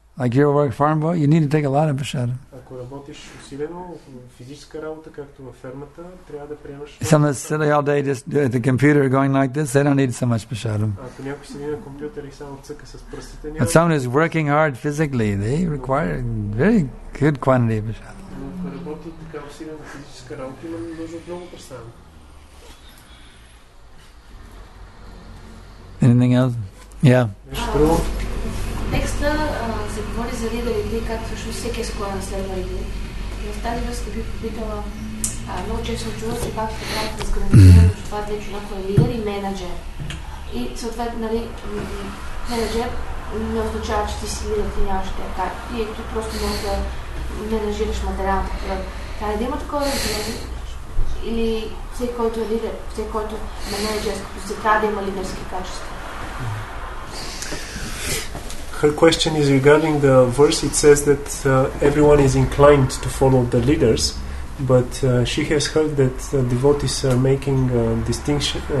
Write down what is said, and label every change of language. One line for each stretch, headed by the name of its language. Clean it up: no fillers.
English: Like you're a work farm boy, you need to take a lot of prasadam.
Bulgarian: Ако работиш усилено, физическа работа, както във фермата, трябва да приемаш...
English: Some of sitting all day just at the computer going like this, they don't need so much prasadam.
Bulgarian: Ако някой седи на компютър и само цъка с пръстите...
English: But someone who's working hard physically, they require very good quantity of prasadam.
Bulgarian: Ако работи така усилено физическа работа, имам нужда от много прасадам.
English: Anything else? Yeah.
Bulgarian: Текста се говори за лидерите и как всъщност всеки е склонен да следва лидерите. В тази връзка бих попитала, много често чува се пак в правата с гранитирането, че това вече някой е лидер и менеджер. И съответно, нали, менеджер не означава, че ти си лидер, ти нямаш те така. И ти просто можеш да менеджираш материалната проблема. Трябва да има такова разделение или всеки, който е лидер, всеки, който е менеджерски, просто трябва да има лидерски качества.
English: Her question is regarding the verse. It says that everyone is inclined to follow the leaders, but she has heard that devotees are making distinction.